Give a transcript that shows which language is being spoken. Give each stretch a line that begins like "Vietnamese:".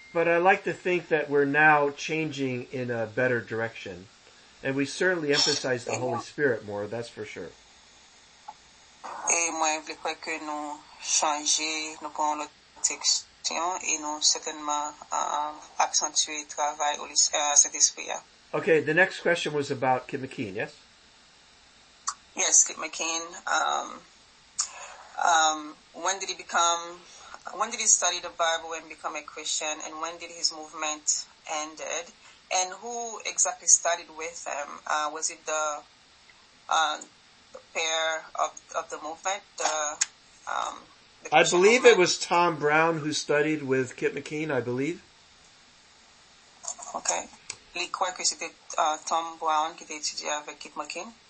English: But I like to think that we're now changing in a better direction, and we certainly emphasize the Holy Spirit more. That's for sure.
French: Et moi, je crois que nous changer, nous prenons notre direction et nous certainement accentuer travail au Saint-Esprit.
English: Okay, the next question was about Kit McKean, yes? Yes, Kit McKean. When did he study the Bible and become a Christian, and when did his movement ended? And who exactly studied with him? Was it the pair of the movement? It was Tom Brown who studied with Kit McKean, I believe. Okay.
French: Je crois que c'était Tom Brown qui était étudié avec Kit McKean.